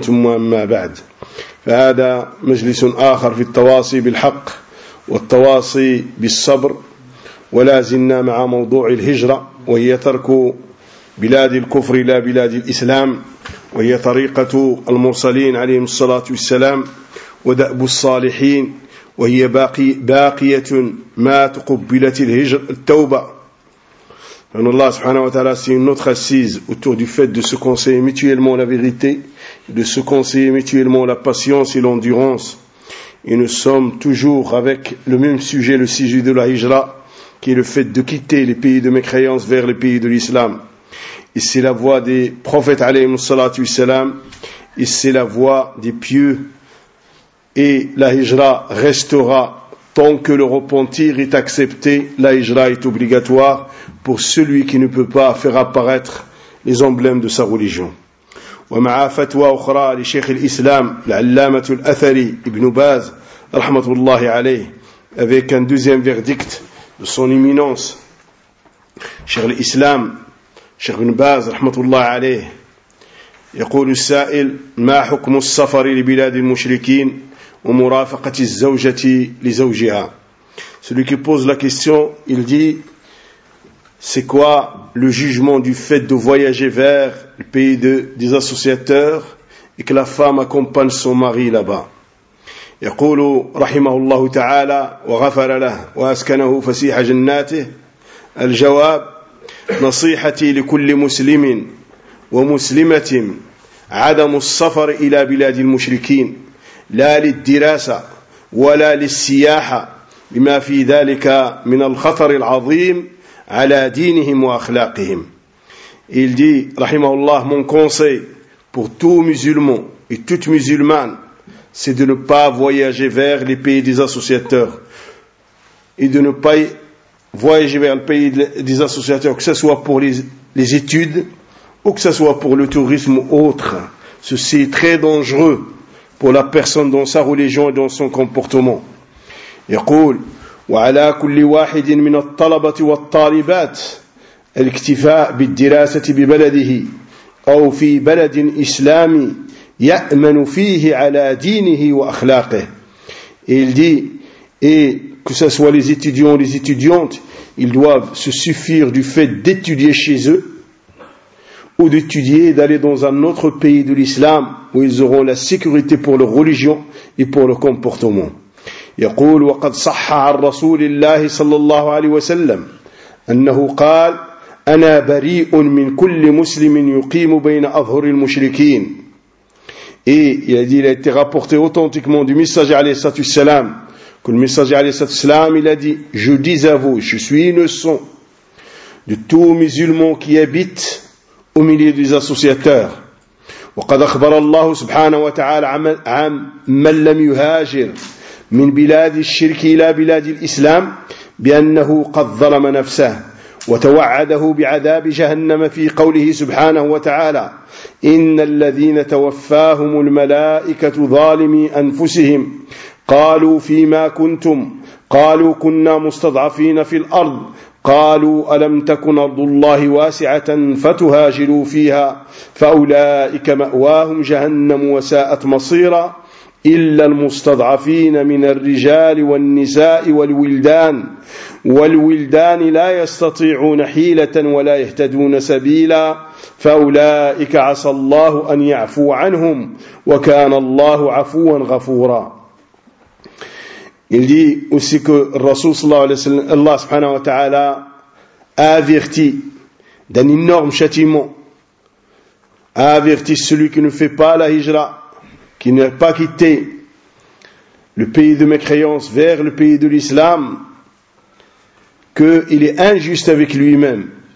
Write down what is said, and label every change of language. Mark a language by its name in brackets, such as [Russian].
[Arabic] ثم أما بعد، فهذا مجلس آخر في التواصي بالحق والتواصي بالصبر، ولازلنا مع موضوع الهجرة، وهي ترك بلاد الكفر إلى بلاد الإسلام، وهي طريقة المرسلين عليهم الصلاة والسلام، ودأب الصالحين، وهي باقية ما تقبلت الهجرة التوبة. أن الله سبحانه وتعالى سينطق السيز [French] autour du fait de se conseiller mutuellement la vérité, de se conseiller mutuellement la patience et l'endurance. Et nous sommes toujours avec le même sujet, le sujet de la hijra, qui est le fait de quitter les pays de mécréance vers les pays de l'islam. Et c'est la voie des prophètes, alayhi salatu wassalam, et c'est la voie des pieux. Et la hijra restera tant que le repentir est accepté. La hijra est obligatoire pour celui qui ne peut pas faire apparaître les emblèmes de sa religion. [Arabic] ومع فتوى أخرى لشيخ الإسلام العلامة الأثري ابن باز رحمة الله عليه [French] avec un deuxième verdict de son éminence [Arabic] شيخ الإسلام شيخ ابن باز رحمة الله عليه يقول السائل ما حكم السفر لبلاد المشركين ومرافقة الزوجة لزوجها. [French] Celui qui pose la question, il dit: c'est quoi le jugement du fait de voyager vers le pays des associateurs et que la femme accompagne son mari là-bas? [Arabic] يقول رحمه الله تعالى وغفر له وأسكنه فسيح جناته. الجواب: نصيحتي لكل مسلم ومسلمة عدم السفر إلى بلاد المشركين، لا للدراسة ولا للسياحة بما في ذلك من الخطر العظيم على دينهم وأخلاقهم. [French] Il dit, rahimahullah, mon conseil pour tout musulman et toute musulmane, c'est de ne pas voyager vers les pays des associateurs. Et de ne pas voyager vers le pays des associateurs, que ce soit pour les études, ou que ce soit pour le tourisme ou autre. Ceci est très dangereux pour la personne dans sa religion et dans son comportement. [Arabic] يقول وعلى كل واحد من الطلبة والطالبات الاكتفاء بالدراسة ببلده أو في بلد إسلامي يأمن فيه على دينه وأخلاقه. [French] Il dit, et que ce soit les étudiants ou les étudiantes, ils doivent se suffire du fait d'étudier chez eux ou d'étudier, d'aller dans un autre pays de l'islam où ils auront la sécurité pour leur religion et pour leur comportement. [Arabic] يقول وقد صح عن رسول الله صلى الله عليه وسلم أنه قال أنا بريء من كل مسلم يقيم بين أظهر المشركين. [French] Et il a dit, il a été rapporté authentiquement du messager [Arabic] عليه الصلاة والسلام, [French] que le messager عليه الصلاة والسلام, il a dit: je dis à vous, je suis innocent de tout musulman qui habite au milieu des associateurs. [Arabic] وقد أخبر الله سبحانه وتعالى عن من لم يهاجر من بلاد الشرك إلى بلاد الإسلام بأنه قد ظلم نفسه وتوعده بعذاب جهنم في قوله سبحانه وتعالى إن الذين توفاهم الملائكة ظالمي أنفسهم قالوا فيما كنتم قالوا كنا مستضعفين في الأرض قالوا ألم تكن أرض الله واسعة فتهاجروا فيها فأولئك مأواهم جهنم وساءت مصيرا إلا المستضعفين من الرجال والنساء والولدان والولدان لا يستطيعون حيلة ولا يهتدون سبيلا فأولئك عسى الله أن يعفو عنهم وكان الله عفوا غفورا. [French] Il dit aussi que le Rasoul, Allah subhanahu wa ta'ala, averti d'un énorme châtiment, averti celui qui ne fait pas la hijra, qui n'a pas quitté le pays de mécréance vers le pays de l'islam, qu'il est injuste avec lui-même.